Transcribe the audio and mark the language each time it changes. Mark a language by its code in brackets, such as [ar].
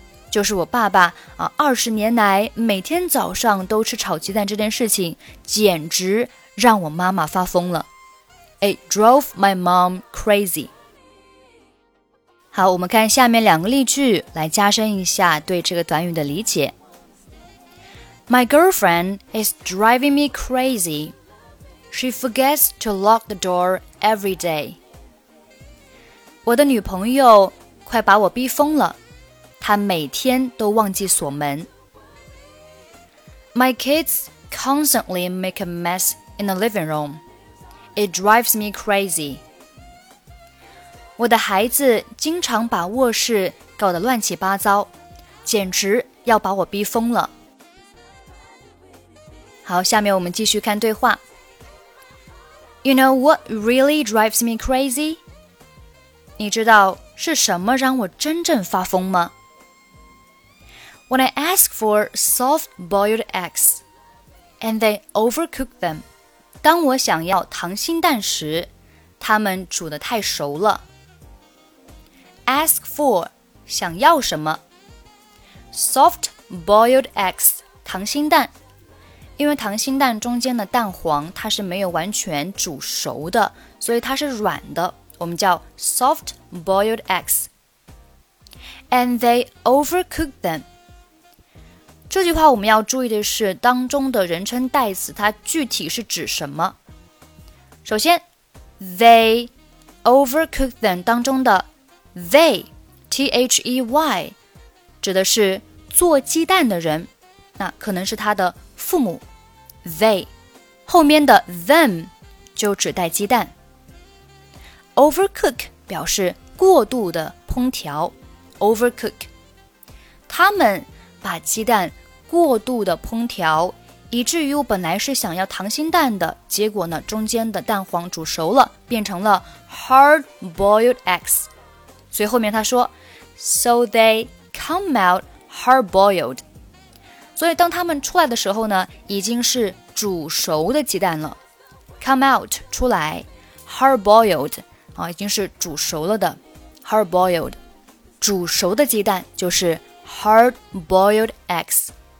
[zh] 就是我爸爸20年来每天早上都吃炒鸡蛋这件事情简直让我妈妈发疯了。 [en] It drove my mom crazy. [zh] 好，我们看下面两个例句，来加深一下对这个短语的理解。 [en] My girlfriend is driving me crazy. She forgets to lock the door every day. [zh] 我的女朋友快把我逼疯了，她每天都忘记锁门。 [en] My kids constantly make a mess in the living room. It drives me crazy. [zh] 我的孩子经常把卧室搞得乱七八糟，简直要把我逼疯了。好，下面我们继续看对话。 [en] You know what really drives me crazy? [zh] 你知道是什么让我真正发疯吗？ [en] When I ask for soft-boiled eggs, and they overcook them, [zh] 当我想要糖心蛋时，他们煮得太熟了。 Ask for, 想要什么。 Soft boiled eggs, 糖心蛋。因为糖心蛋中间的蛋黄它是没有完全煮熟的，所以它是软的，我们叫 soft boiled eggs. [en] And they overcook them. [zh] 这句话我们要注意的是当中的人称代词它具体是指什么。首先 [en] they overcook them [zh] 当中的 they T-H-E-Y 指的是做鸡蛋的人，那可能是他的父母。 they 后面的 them 就指代鸡蛋。 overcook 表示过度的烹调， overcook 他们把鸡蛋过度的烹调，以至于我本来是想要溏心蛋的，结果呢，中间的蛋黄煮熟了，变成了 hard-boiled eggs。所以后面他说 [en] So they come out hard-boiled。 [zh] 所以当他们出来的时候呢，已经是煮熟的鸡蛋了。 Come out 出来， hard-boiled、已经是煮熟了的 hard-boiled。煮熟的鸡蛋就是 hard-boiled eggs。